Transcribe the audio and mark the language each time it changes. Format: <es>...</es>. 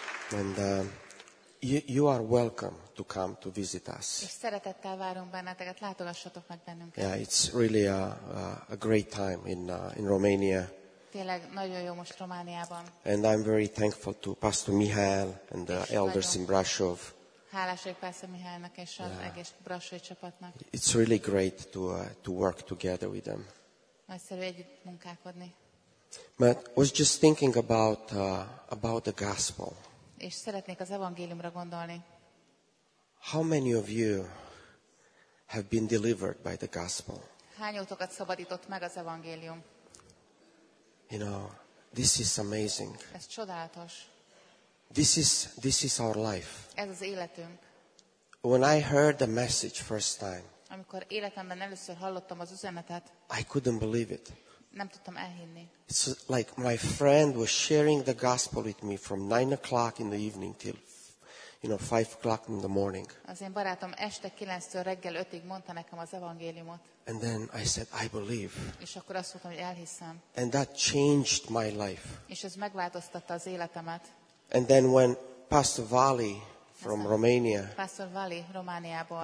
<en>And you are welcome to come to visit us.</en> <hu>És szeretettel várunk benneteket, látogassatok meg bennünket.</hu> <en>Yeah, it's really a great time in Romania.</en> <hu>Tényleg nagyon jó most Romániában.</hu> <en>And I'm very thankful to Pastor Mihail and the elders in Brasov.</en> <hu>Hálás vagyok Pastor Mihailnak és az egész brassói csapatnak.</hu> <en>It's really great to work together with them.</en> <hu>Nagyszerű együtt munkálkodni.</hu> <en>But I was just thinking about the gospel.</en> <hu>És szeretnék az evangéliumra gondolni.</hu> <en>How many of you have been delivered by the gospel?</en> <hu>Hányótokat szabadított meg az evangélium?</hu> <en>You know, this is amazing.</en> <hu>Ez csodálatos.</hu> <en>This is our life.</en> <hu>Ez az életünk.</hu> <en>When I heard the message first time,</en> <hu>amikor életemben először hallottam az üzenetet,</hu> <en>I couldn't believe it.</en> <hu>Nem tudtam elhinni.</hu> <en>It's like my friend was sharing the gospel with me from 9 o'clock in the evening till, you know, 5 o'clock in the morning.</en> <hu>Az én barátom este 9-től reggel 5-ig mondta nekem az evangéliumot.</hu> <en>And then I said, I believe.</en> <hu>És akkor azt mondtam, hogy elhiszem.</hu> <en>And that changed my life.</en> <hu>És ez megváltoztatta az életemet.</hu> <en>And then when Pastor Vali from Romania</en> <hu>Pastor Vali, Romániából</hu>